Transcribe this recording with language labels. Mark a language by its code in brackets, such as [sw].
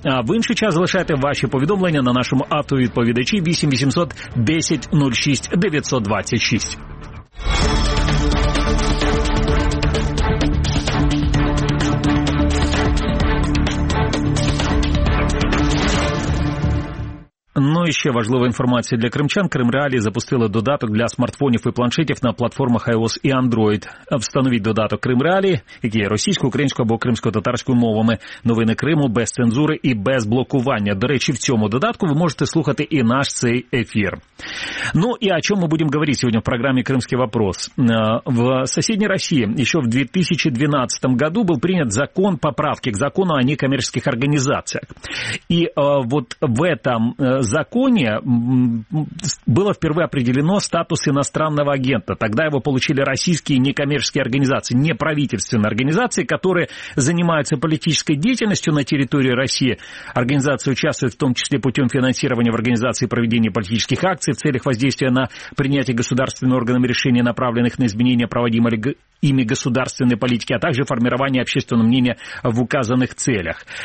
[uk] А в інший час залишайте ваші повідомлення на нашому автовідповідачі 8 800 10 06 926. Ну і ще важлива інформація для кримчан. Крим Реалі запустили додаток для смартфонів і планшетів на платформах iOS і Android. Встановіть додаток Крим Реалі, який є російською, українською або кримсько-татарською мовами. Новини Криму без цензури і без блокування. До речі, в цьому додатку ви можете слухати і наш цей ефір. Ну і о чому ми будемо говорити сьогодні в програмі «Кримський вопрос»? В сусідній Росії ще в 2012 году був прийнят [ru] закон поправки к закону о некоммерческих организациях. І от в этом законе было впервые определено статус иностранного агента. Тогда его получили российские некоммерческие организации, неправительственные организации, которые занимаются политической деятельностью на территории России. Организации участвуют в том числе путем финансирования в организации и проведения политических акций в целях воздействия на принятие государственными органами решений, направленных на изменения проводимой ими государственной политики, а также формирование общественного мнения в указанных целях.